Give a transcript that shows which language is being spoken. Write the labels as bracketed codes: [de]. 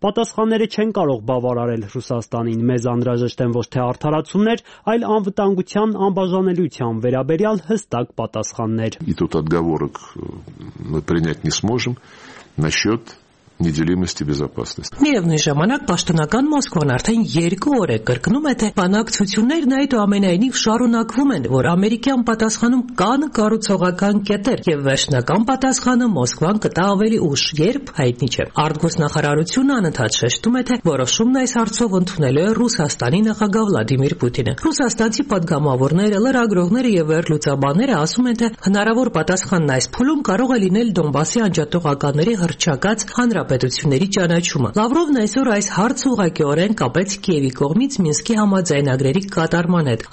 [hy] Պատասխանները չեն կարող բավարարել Ռուսաստանին, մեզ անհրաժեշտ են ոչ թե արդարացումներ, այլ անվտանգության անբաժանելիության վերաբերյալ հստակ պատասխաններ։ [ru] И тут отговорок мы принять не сможем насчёт неделимости безопасности. [hy] Միևնույն ժամանակ պաշտոնական Մոսկվան արդեն 2 օր է կրկնում է, թե բանակցություններն այնուամենայնիվ շարունակվում են, որ ամերիկյան պատասխանում կան կառուցողական կետեր, եւ վերջնական պատասխանը Մոսկվան կտա ավելի ուշ, երբ հայտնի չէ։ Արտգործնախարարությունը անընդհատ շեշտում է, թե որոշումն այս հարցով ընդունելու է Ռուսաստանի նախագահ Վլադիմիր Պուտինը։ Ռուսաստանցի պատգամավորները, լրագրողները եւ վերլուծաբանները ասում են, թե հնարավոր պատասխանն այս փուլում կարող է լինել Դոնբասի անջատողականների հրճակած հանրապետությունների ճանաչումը։ Լավրովն այսօր այս հարցը ուղղակիորեն կապեց Կիևի կողմից Մինսկի համաձայնագրերի կատարման հետ,